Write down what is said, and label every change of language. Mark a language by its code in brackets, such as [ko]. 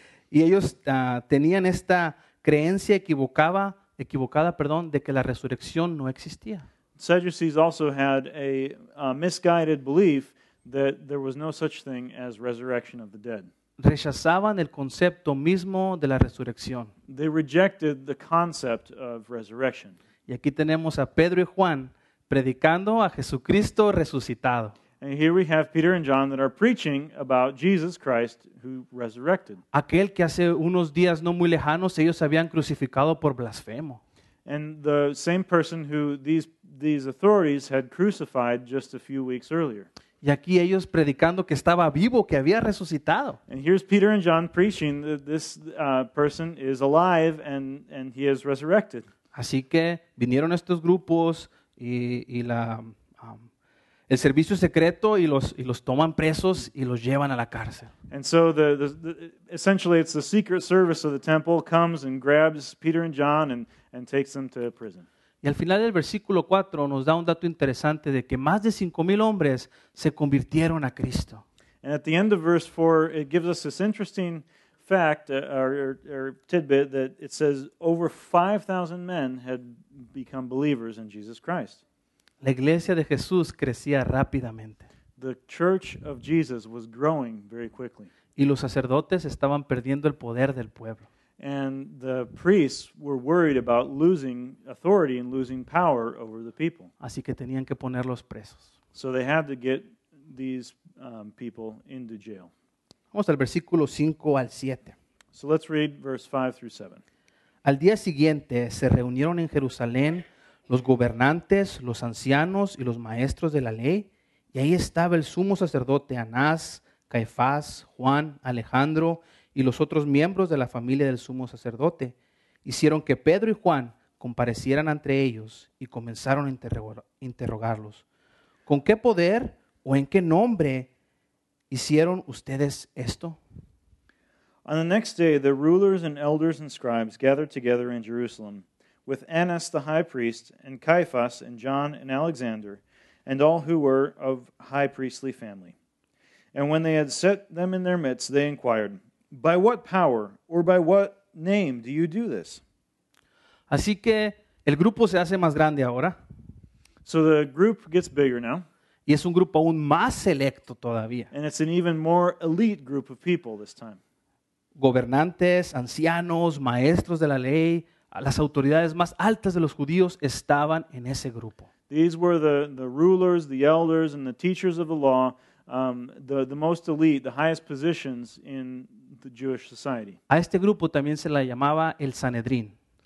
[es] Y ellos tenían esta creencia equivocada, de que la resurrección no existía. [en] Sadducees also had a misguided belief that there was no such thing as resurrection of the dead. [es] Rechazaban el concepto mismo de la resurrección. [en] They rejected the concept of resurrection. [es] Y aquí tenemos a Pedro y Juan predicando a Jesucristo resucitado. [en] And here we have Peter and John that are preaching about Jesus Christ who resurrected. [es] Aquel que hace unos días no muy lejanos ellos habían crucificado por blasfemo. [en] And the same person who these authorities had crucified just a few weeks earlier. [es] Y aquí ellos predicando que estaba vivo, que había resucitado. [en] And here's Peter and John preaching that this person is alive and he is resurrected. [es] Así que vinieron estos grupos y la el servicio secreto y los toman presos y los llevan a la cárcel. [en] And so the essentially it's the secret service of the temple comes and grabs Peter and John and takes them to prison. [es] Y al final del versículo 4 nos da un dato interesante de que más de 5,000 hombres se convirtieron a Cristo. [en] And at the end of verse 4 it gives us this interesting fact or tidbit that it says over 5,000 men had become believers in Jesus Christ. [es] La iglesia de Jesús crecía rápidamente. [en] The church of Jesus was growing very quickly. [es] Y los sacerdotes estaban perdiendo el poder del pueblo. [en] And the priests were worried about losing authority and losing power over the people. [es] Así que tenían que ponerlos presos. [en] So they had to get these people into jail. [es] Vamos al versículo 5 al 7. [en] So let's read verse 5 through 7. [es] Al día siguiente se reunieron en Jerusalén los gobernantes, los ancianos y los maestros de la ley, y ahí estaba el sumo sacerdote Anás, Caifás, Juan, Alejandro y los otros miembros de la familia del sumo sacerdote. Hicieron que Pedro y Juan comparecieran ante ellos y comenzaron a interrogarlos. ¿Con qué poder o en qué nombre hicieron ustedes esto? [en] On the next day, the rulers and elders and scribes gathered together in Jerusalem with Annas the high priest and Caiaphas and John and Alexander and all who were of high priestly family. And when they had set them in their midst, they inquired, "By what power or by what name do you do this?" [es] Así que el grupo se hace más grande ahora. [en] So the group gets bigger now. [es] Y es un grupo aún más selecto todavía. [en] And it's an even more elite group of people this time. [es] Gobernantes, ancianos, maestros de la ley, las autoridades más altas de los judíos estaban en ese grupo. [en] These were the rulers, the elders, and the teachers of the law, the most elite, the highest positions in the Jewish society. [es] A este grupo también se la llamaba el Sanedrín.